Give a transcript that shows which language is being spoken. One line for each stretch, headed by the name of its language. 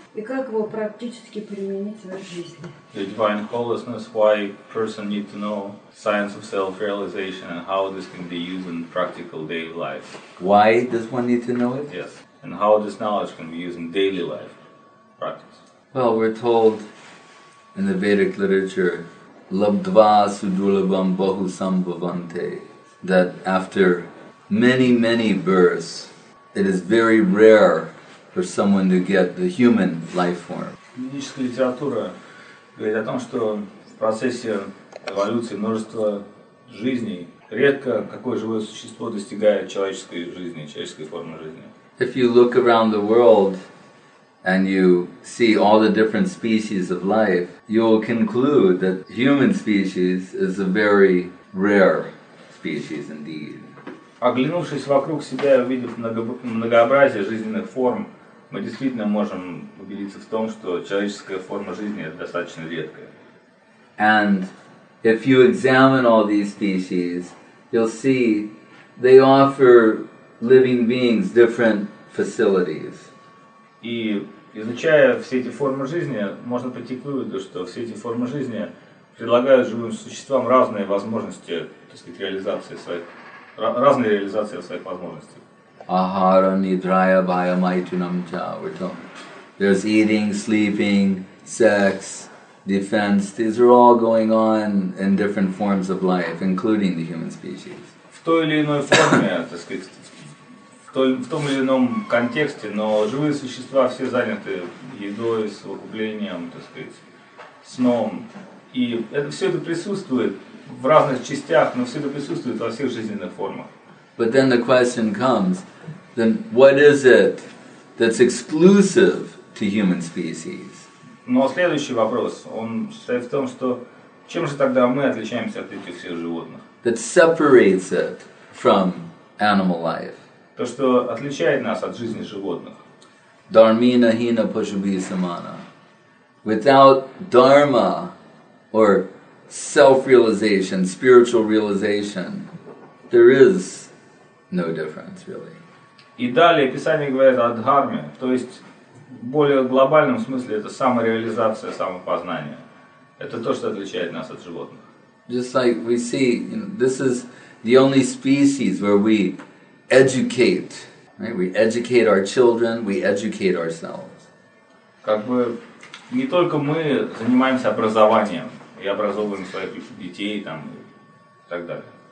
Russian: И как его практически применить в своей жизни?
English: The divine wholeness, why person need to know science of self-realization and how this can be used in practical daily life? Why does one need to know it? Yes. And how this knowledge can be used in daily life practice? Well, we're told in the Vedic literature,
Sanskrit: labdva sudulabham bahu sambhavante,
English: that after many, many births, it is very rare for someone to get the human life form.
Russian: Ведическая литература говорит о том, что в процессе эволюции множества жизней редко какое живое существо достигает человеческой жизни, человеческой формы жизни.
English: If you look around the world and you see all the different species of life, you'll conclude that human species is a very rare species indeed.
Russian: Оглянувшись вокруг себя и увидев многообразие жизненных форм, мы действительно можем убедиться в том, что человеческая форма жизни – это достаточно редкая.
English: And if you examine all these species, you'll see they offer living beings different facilities.
Russian: И изучая все эти формы жизни, можно прийти к выводу, что все эти формы жизни предлагают живым существам разные возможности, так сказать, реализации своих, разные реализации своих возможностей.
Sanskrit: Ahara nidraya vaya maitunam cha,
English: we're told. There's eating, sleeping, sex, defense. These are all going on in different forms of life, including the human species.
Russian: В той или иной форме, так сказать, в том или ином контексте, но живые существа все заняты едой, совокуплением, так сказать, сном. И это, все это присутствует в разных частях, но все это присутствует во всех жизненных формах.
English: But then the question comes, then what is it that's exclusive to human species?
Russian: Но следующий вопрос, он состоит в том, что чем же тогда мы отличаемся от этих всех животных?
English: That separates it from animal life.
Russian: То, что отличает нас от жизни животных.
Sanskrit: Dharmina hina pushubhi samana.
English: Without dharma, or self-realization, spiritual realization, there is no difference, really.
Russian: И далее Писание говорит о дхарме, то есть в более глобальном смысле это самореализация, самопознание. Это то, что отличает нас от животных.
English: Just like we see, you know, this is the only species where we educate, right? We educate our children, we educate ourselves.
Russian: Как бы не только мы занимаемся образованием и образовываем своих детей там и так далее.